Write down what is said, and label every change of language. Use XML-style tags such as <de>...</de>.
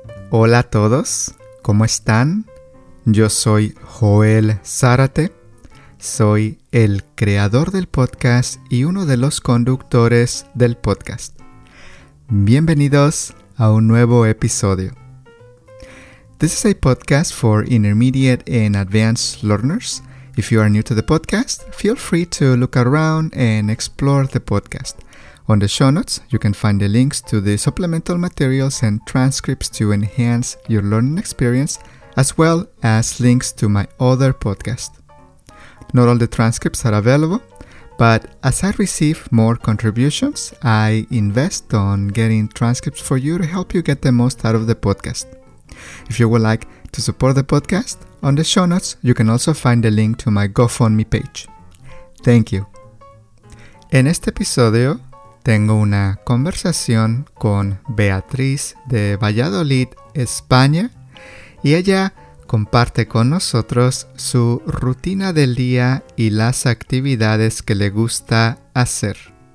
<es>Hola a todos, ¿cómo están? Yo soy Joel Zárate, soy el creador del podcast y uno de los conductores del podcast. Bienvenidos a un nuevo episodio.</es> <en>This is a podcast for intermediate and advanced learners. If you are new to the podcast, feel free to look around and explore the podcast. On the show notes, you can find the links to the supplemental materials and transcripts to enhance your learning experience, as well as links to my other podcast. Not all the transcripts are available, but as I receive more contributions, I invest on getting transcripts for you to help you get the most out of the podcast. If you would like to support the podcast, on the show notes, you can also find the link to my GoFundMe page. Thank you.</en> <es>En este episodio, tengo una conversación con Beatriz de Valladolid, España, y ella comparte con nosotros su rutina del día y las actividades que le gusta hacer.</es>